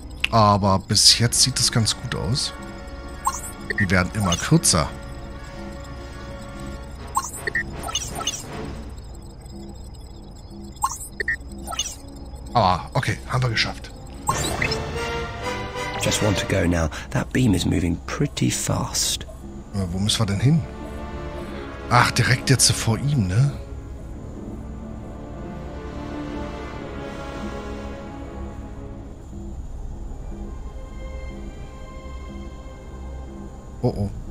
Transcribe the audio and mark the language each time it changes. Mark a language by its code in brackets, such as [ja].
[de] Aber bis jetzt sieht das ganz gut aus. Die werden immer kürzer. Ah, okay, haben wir geschafft. [en] Just want to go now. That beam is moving pretty fast. [de] Wo müssen wir denn hin? Ach, direkt jetzt vor ihm, ne? Oh oh.